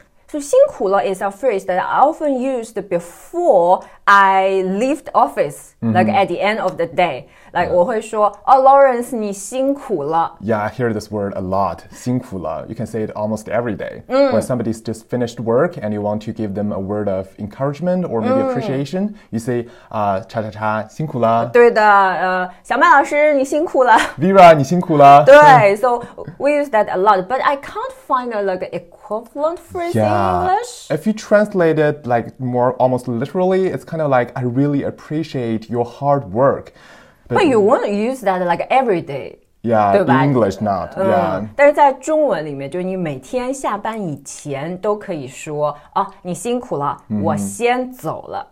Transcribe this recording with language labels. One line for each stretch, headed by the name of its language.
English: So 辛苦了 is a phrase that I often used before I leave the office, like at the end of the day.
Chinese: Like 我会说 oh, Lawrence, 你辛苦了。
English: Yeah, I hear this word a lot, 辛苦了. You can say it almost every day. When somebody's just finished work and you want to give them a word of encouragement or maybe appreciation, you say,
Chinese: 叉叉叉辛苦了。对的、小麦老师你辛苦了。 Vera, 你辛苦了。
English: 对so we use that a lot, but I can't find a, like, equivalent phrase English? If you translate it like more almost literally, it's kind of like, I really appreciate your hard work. But you won't use that like every day. Yeah, in English not. Yeah.
Chinese: 但是在中文里面就你每天下班以前都可以说、oh, 你辛苦了、我先走了。